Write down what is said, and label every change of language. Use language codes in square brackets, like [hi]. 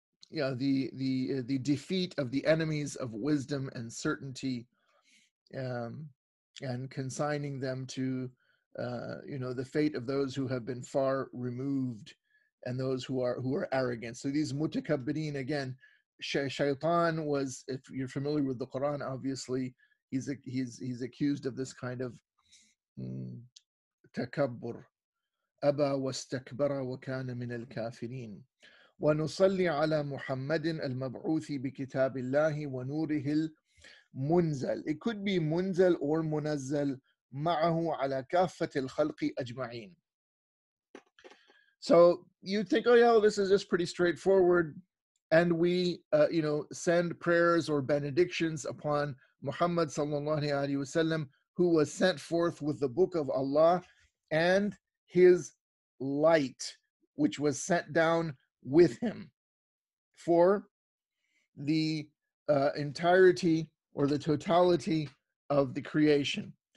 [en] the defeat of the enemies of wisdom and certainty, and consigning them to the fate of those who have been far removed, and those who are arrogant. So these mutakabbirin, again, Shaytan was, if you're familiar with the Quran, obviously he's accused of this kind of takabbur. [ar] Aba wastakbara wa kana min al-kafirin. ونصلي على محمد المبعوث بكتاب الله ونوره المنزل. [en] It could be [ar] منزل or منزل معه على كافة الخلق أجمعين. [en] So you think, oh yeah, well, this is just pretty straightforward. And we, send prayers or benedictions upon Muhammad sallallahu alayhi wa sallam, who was sent forth with the book of Allah and his light, which was sent down with him for the entirety or the totality of the creation.